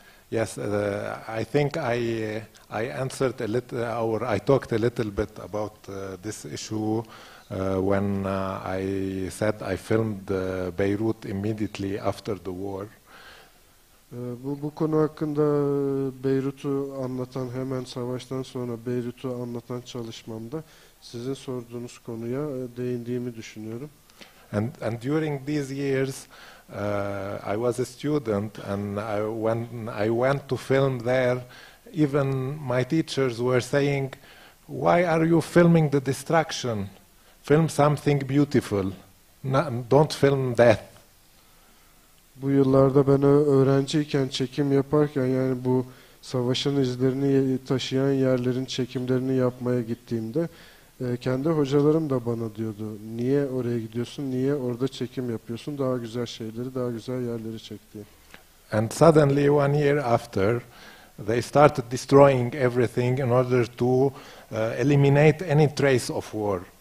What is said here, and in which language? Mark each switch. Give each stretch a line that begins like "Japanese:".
English: Yes, I think I answered a little, or I talked a little bit about this issue when I said I filmed Beirut immediately after the war.
Turkish: Bu konu hakkında Beyrut'u anlatan, hemen savaştan sonra Beyrut'u anlatan çalışmamda sizin sorduğunuz konuya değindiğimi düşünüyorum.
English: And during these years I was a student and when I went to film there, even my teachers were saying, why are you filming the destruction? Film something beautiful. Don't film death.
Turkish: Bu yıllarda ben öğrenciyken çekim yaparken, yani bu savaşın izlerini taşıyan yerlerin çekimlerini yapmaya gittiğimde kendi hocalarım da bana diyordu, niye oraya gidiyorsun, niye orada çekim yapıyorsun, daha güzel şeyleri, daha güzel yerleri çek diye.
English: And suddenly one year after they started destroying everything in order to eliminate any trace of war.